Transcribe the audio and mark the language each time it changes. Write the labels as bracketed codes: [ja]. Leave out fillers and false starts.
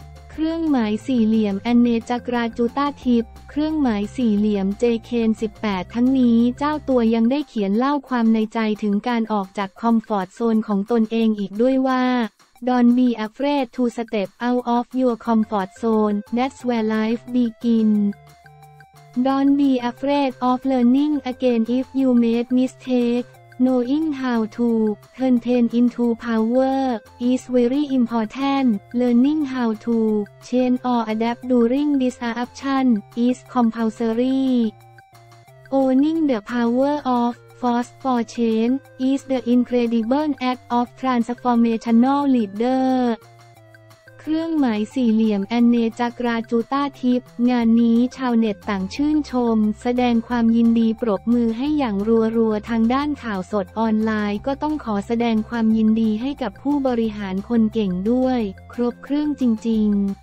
[th] เครื่องหมายสี่เหลี่ยมแอนเนจักราจุฑาธิบเครื่องหมายสี่เหลี่ยม JKN 18ทั้งนี้เจ้าตัวยังได้เขียนเล่าความในใจถึงการออกจากคอมฟอร์ตโซนของตนเองอีกด้วยว่า [en] Don't be afraid to step out of your comfort zone, that's where life begins. Don't be afraid of learning again if you made mistakes. Knowing how to turn pain into power is very important. Learning how to change or adapt during disruption is compulsory. Owning the power ofForce for change is the incredible act of transformational leader. [th] เครื่องหมายสี่เหลี่ยมแอนเนจักราจุฑาธิบงานนี้ชาวเน็ตต่างชื่นชมแสดงความยินดีปรบมือให้อย่างรัวๆทางด้านข่าวสดออนไลน์ก็ต้องขอแสดงความยินดีให้กับผู้บริหารคนเก่งด้วยครบเครื่องจริงๆ